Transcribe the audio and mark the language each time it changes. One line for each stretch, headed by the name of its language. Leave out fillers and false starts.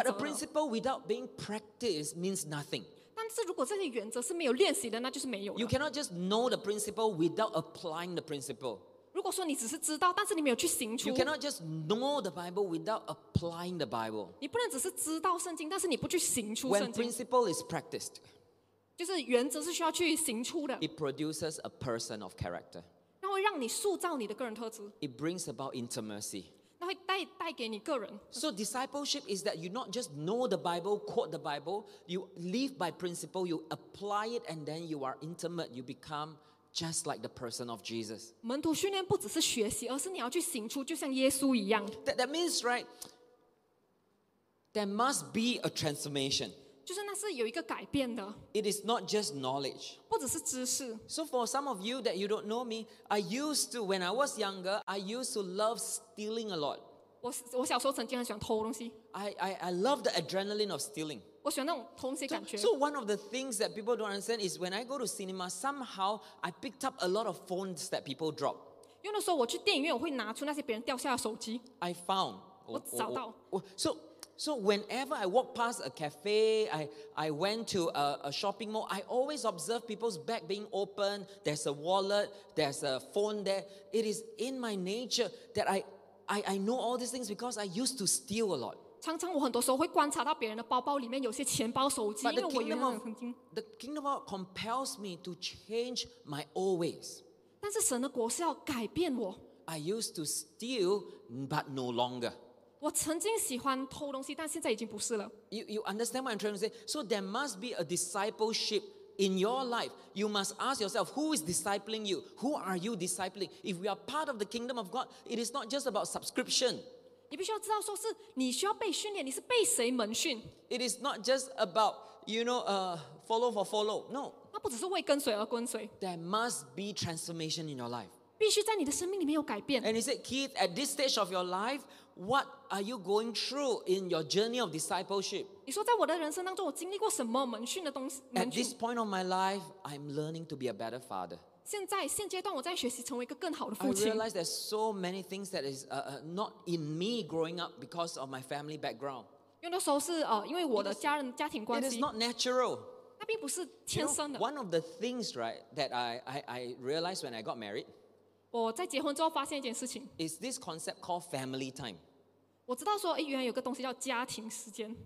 English: But a principle without being practiced means nothing.
Chinese: 但是如果这些原则是没有练习的, 那就是没有了。
English: You cannot just know the principle without applying the principle.
Chinese: 如果说你只是知道, 但是你没有去行出,
English: you cannot just know the Bible without applying the Bible.
Chinese: 你不能只是知道圣经, 但是你不去行出圣经。
English: When principle is practiced,
Chinese: 就是原则是需要去行出的,
English: it produces a person of character.
Chinese: 那会让你塑造你的个人特质。
English: It brings about intimacy.
Chinese: 那会带给你个人。
English: So discipleship is that you not just know the Bible, quote the Bible, you live by principle, you apply it, and then you are intimate, you become just like the person of Jesus.
Chinese: 门徒训练不只是学习, 而是你要去行出, 就像耶稣一样。
English: That means, right, there must be a transformation.
Chinese: 就是那是有一个改变的。
English: It is not just knowledge.
Chinese: 不只是知识。
English: So for some of you that you don't know me, I used to, when I was younger, I used to love stealing a lot.
Chinese: 我小时候曾经很喜欢偷东西。
English: I love the adrenaline of stealing.
Chinese: 我喜欢那种偷东西感觉。
English: So one of the things that people don't understand is when I go to cinema, somehow I picked up a lot of phones that people drop.
Chinese: 用的时候我去电影院我会拿出那些别人掉下的手机。
English: I found.
Chinese: 我找到。
English: So whenever I walk past a cafe, I went to a shopping mall, I always observe people's bag being open, there's a wallet, there's a phone there. It is in my nature that I know all these things because I used to steal a lot.
Chinese: 常常我很多时候会观察到别人的包包里面有些钱包、手机,
English: but the kingdom of God compels me to change my old ways.
Chinese: 但是神的国是要改变我。
English: I used to steal, but no longer.
Chinese: 我曾经喜欢偷东西, 但现在已经不是了。
English: You understand what I'm trying to say? So there must be a discipleship in your life. You must ask yourself, who is discipling you? Who are you discipling? If we are part of the kingdom of God, it is not just about subscription.
Chinese: 你必须要知道说是你需要被训练,你是被谁门训?
English: It is not just about, you know, follow for follow. No.
Chinese: 那不只是为跟随而跟随。
English: There must be transformation in your life.
Chinese: 必须在你的生命里面有改变。
English: And he said, Keith, at this stage of your life, what are you going through in your journey of discipleship?
Chinese: 你说在我的人生当中,我经历过什么门训的东西?
English: At this point of my life, I'm learning to be a better father.
Chinese: 现阶段我在学习成为一个更好的父亲。
English: I realize there's so many things that is not in me growing up because of my family background.
Chinese: 用的时候是因为我的家人家庭关系。
English: It is not natural.
Chinese: 那并不是天生的。
English: You know, one of the things, right, that I realized when I got married,
Chinese: 我在结婚之后发现一件事情,
English: is this concept called family time.
Chinese: 我知道说原来有个东西叫家庭时间。